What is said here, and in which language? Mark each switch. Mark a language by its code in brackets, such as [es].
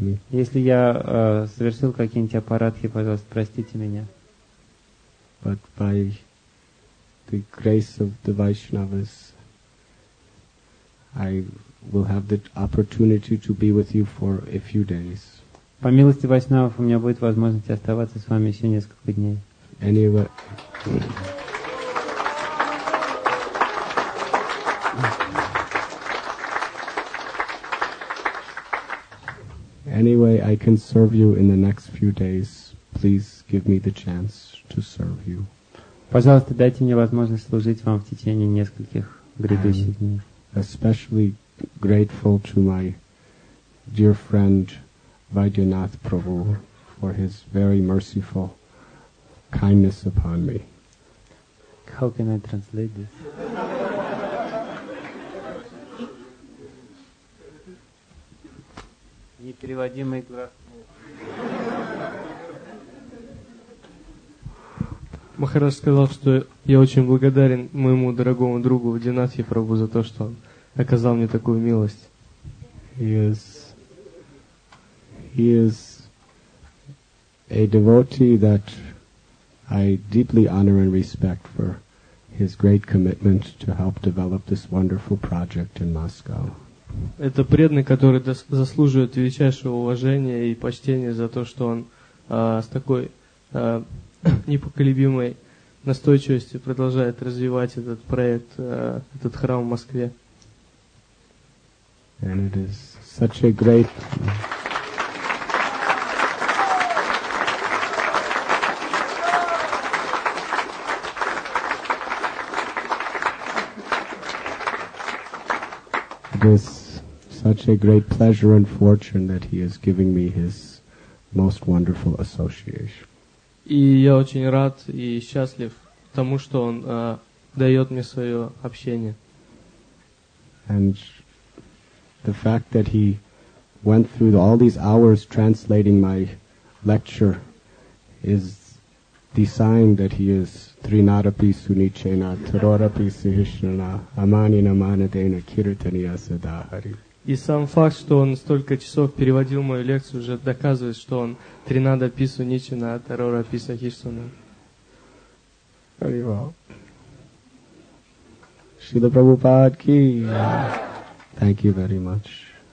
[ru] Если я совершил какие-нибудь апарадхи, пожалуйста, простите меня. [en] But by the grace of the Vaishnavas, I will have the opportunity to be with you for a few days. [ru] По милости Вайшнавов у меня будет возможность оставаться с вами еще несколько дней. [en] Anyway, I can serve you in the next few days. Please give me the chance to serve you. [ru] Пожалуйста, дайте мне возможность служить вам в течение нескольких грядущих дней. [en] Especially grateful to my dear friend Vaidyanath Prabhu for his very merciful kindness upon me. How can I translate this? [ru] Непереводимый глаз. Махарадж сказал, что я очень благодарен моему дорогому другу Вайдьянатхе Прабху за то, что он оказал мне такую милость. [en] He is a devotee that I deeply honor and respect for his great commitment to help develop this wonderful project in Moscow. [ru] Это преданный, который заслуживает величайшего уважения и почтения за то, что он с такой непоколебимой настойчивостью продолжает развивать этот проект, этот храм в Москве. [en] And it is such a great... This such a great pleasure and fortune that he is giving me his most wonderful association. [ru] И я очень рад и счастлив тому, что он дает мне свое общение. [en] And the fact that he went through all these hours translating my lecture is the sign that he is Trinadapi Sunichena, Tarorapi Sihishnana, Amanina Manadena, Kirtaniya Sadahari. [ru] И сам факт, что он столько часов переводил мою лекцию, уже доказывает, что он Тринадапи Суничина, Тарорапи Сахишнана. [en] Very well. Шрила Прабхупада ки. Thank you very much.